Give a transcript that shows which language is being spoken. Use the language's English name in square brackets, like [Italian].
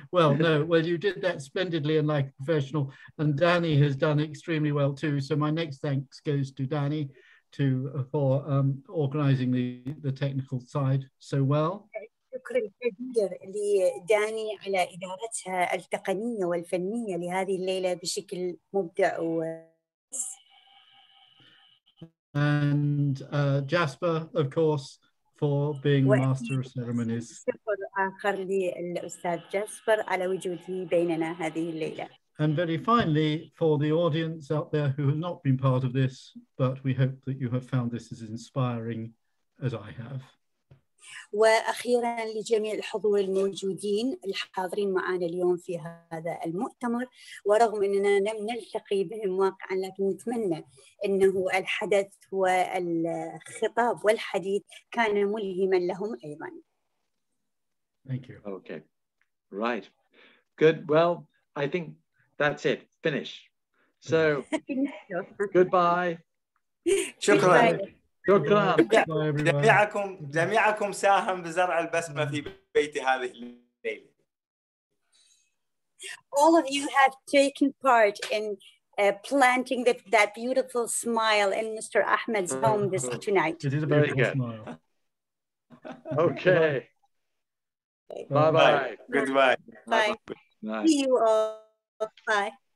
[English] Well, you did that splendidly and like a professional, and Danny has done extremely well too. So my next thanks goes to Danny. For organizing the technical side so well. [Arabic] شكرا كبير لداني على إدارتها التقنية والفنية لهذه الليلة بشكل مبدع. [English] And Jasper, of course, for being the master of ceremonies. [Arabic] شكر آخر للأستاذ جاسبر على وجوده بيننا هذه الليلة. [English] And very finally, for the audience out there who have not been part of this, but we hope that you have found this as inspiring as I have. [Arabic] وأخيرا لجميع الحضور الموجودين الحاضرين معنا اليوم في هذا المؤتمر ورغم أننا لم نلتقي بهم واقعا لكن نتمنى أنه الحدث والخطاب والحديث كان ملهما لهم أيضا. [English] Thank you. Okay. Right. Good. Well, I think that's it. Finish. So goodbye. [Arabic] Shukran. Shukran. جميعكم جميعكم ساهم بزرع البسمة في بيتي هذه الليلة. [English] All of you have taken part in planting the, that beautiful smile in Mr. Ahmed's home this tonight. It is a very good smile. Okay. Bye bye. Goodbye. Bye. Bye. See you all. Bye.